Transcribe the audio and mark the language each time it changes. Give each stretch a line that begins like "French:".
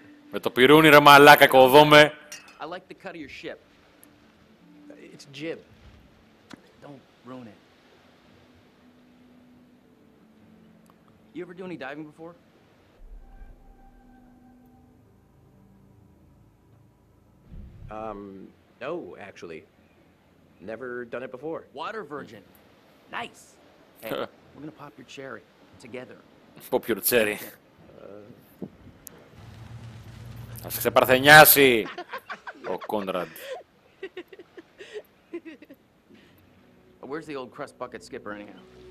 Greek: Με το πιρούνι ρε μαλάκα κοδόμε.
English: I like the cut of your ship. It's jib. Ruin it. You ever do any diving before? No, actually. Never done it before. Water virgin. Nice. Hey, we're gonna pop your cherry together. Pop your cherry.
Greek: Θα σε ξεπαρθενιάσει ο Κόνραντ.
English: Where's the old crust bucket skipper anyhow?